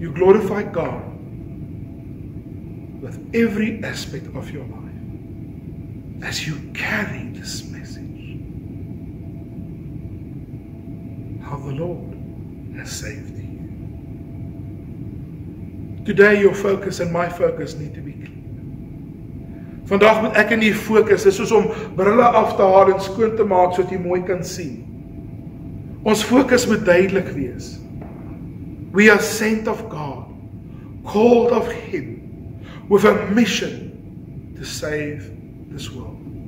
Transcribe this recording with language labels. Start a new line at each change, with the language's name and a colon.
English: You glorify God with every aspect of your life as you carry this message. how the Lord has saved you. Today your focus and my focus need to be clear.
Afrikaans: Vandag moet ek in die focus, dis soos om brille af te haal en skoon te maak sodat jy mooi kan sien. Ons focus moet duidelik wees.
English: We are sent of God, called of Him, with a mission to save this world.